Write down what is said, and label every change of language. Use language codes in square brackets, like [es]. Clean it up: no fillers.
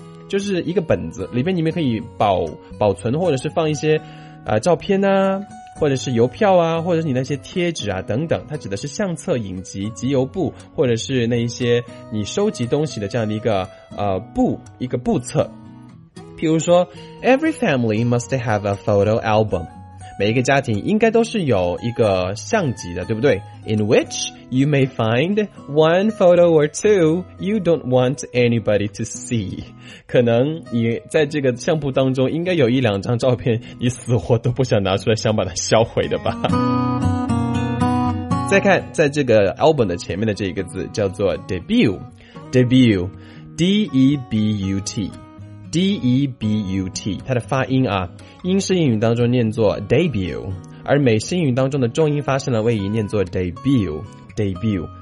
[zh] 就是一个本子，里面你们可以保存或者是放一些照片啊，或者是邮票啊，或者是你那些贴纸啊等等，它指的是相册、影集、集邮簿，或者是那一些你收集东西的这样的一个一个簿册。譬如说 [en] ,every family must have a photo album. [zh] 每一个家庭应该都是有一个相机的，对不对？ [en] In which you may find one photo or two you don't want anybody to see. [zh] 可能你在这个相簿当中应该有一两张照片你死活都不想拿出来，想把它销毁的吧。再看在这个 album 的前面的这个字叫做 debut， debut， D-E-B-U-T，D-E-B-U-T， 它的发音啊，英式英语当中念作 debut， 而美式英语当中的重音发生了位移，念作 debut， debut。